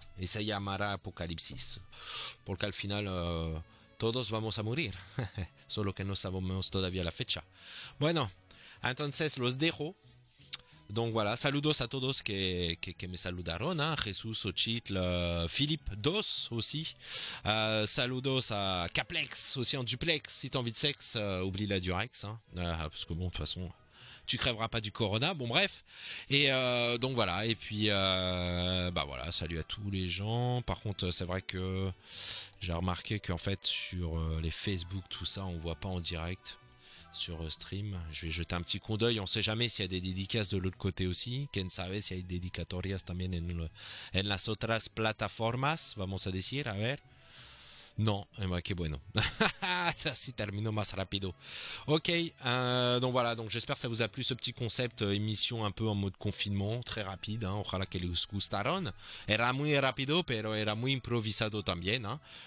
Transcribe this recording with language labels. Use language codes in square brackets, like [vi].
[es] Y se llamará Apocalipsis, porque al final... todos vamos a morir, solo que no sabemos todavía la fecha. Bueno, entonces los dejo. Donc voilà, saludos a todos que me saludaron, hein. Jesús, Ochitl, Philippe, Dos aussi. [fr] Saludos à Caplex, aussi en duplex. Si t'as envie de sexe, oublie la durex, hein. Parce que bon, de toute façon, tu crèveras pas du corona. Bon, bref. Et donc voilà, et puis, bah voilà, salut à tous les gens. Par contre, c'est vrai que j'ai remarqué qu'en fait, sur les Facebook, tout ça, on voit pas en direct. Sur stream, je vais jeter un petit coup d'œil. On sait jamais s'il y a des dédicaces de l'autre côté aussi. [es] Quien sabe si hay dedicatorias también en las otras plataformas, vamos a decir, a ver. [fr] Non, et moi, [es] qué bueno. [fr] Ça se termine [es] más rápido. [fr] Ok, donc voilà, donc j'espère que ça vous a plu ce petit concept, émission un peu en mode confinement, très rapide, hein. [es] Ojalá que les gustaron. Era muy rápido, pero era muy improvisado también, hein.